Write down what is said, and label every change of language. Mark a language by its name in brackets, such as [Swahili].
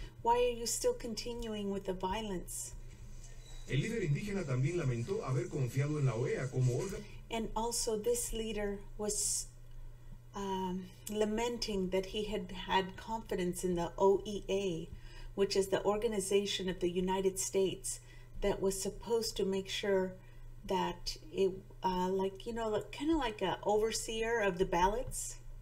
[English] Why are you still continuing with the violence? [Spanish] El líder indígena también lamentó haber confiado en la OEA como órgano. [English] And also this leader was lamenting that he had had confidence in the OEA, which is the organization of the United States that was supposed to make sure that it, like, you know, kind of like an overseer of the ballots.